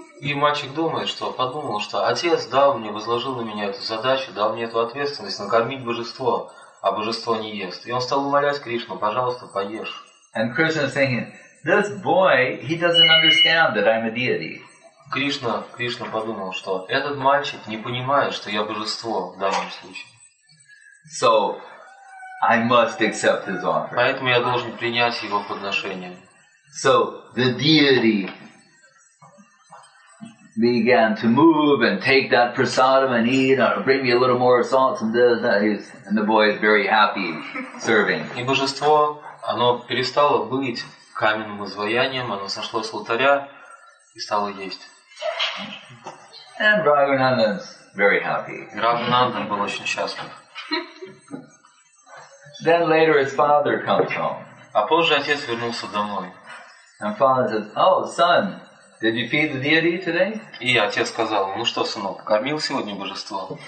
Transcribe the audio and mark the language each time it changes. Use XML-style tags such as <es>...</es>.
<ru>И мальчик думает, что подумал, что отец дал мне, возложил на меня эту задачу, дал мне эту ответственность накормить божество, а божество не ест. И он стал умолять Кришну, пожалуйста, поешь.</ru> <en>And Krishna is thinking, this boy, he doesn't understand that I'm a deity.</en> <ru>Кришна подумал, что этот мальчик не понимает, что я божество в данном случае.</ru> <en>So I must accept his offer.</en> <ru>Поэтому я должен принять его подношение.</ru> <en>So the deity began to move and take that prasadam and eat, or bring me a little more salt, and this, and the boy is very happy serving.</en> <ru>И божество, оно перестало быть каменным изваянием, оно сошло с алтаря и стало есть.</ru> <en>And Raghunandan is very happy.</en> <ru>Raghunandan был очень счастлив.</ru> <en>Then later his father comes home.</en> <ru>А позже отец вернулся домой.</ru> <en>And father says, "Oh, son, did you feed the deity today?"</en> <ru>И отец сказал, "Ну что, сынок, кормил сегодня божество?"</ru>